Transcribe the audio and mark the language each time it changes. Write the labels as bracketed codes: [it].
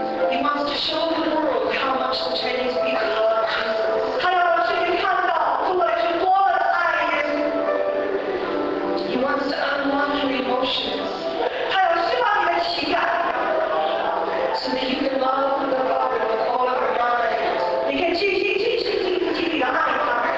[en] He wants to show the world how much the Chinese people love Jesus. [zh] 他要让世界看到主爱是多么的爱人。 [en] He wants to unlock your emotions. [zh] 他要释放你的情感。 [en] So that you can love the Father with all of your mind. [zh] 你可以尽心尽力的爱他。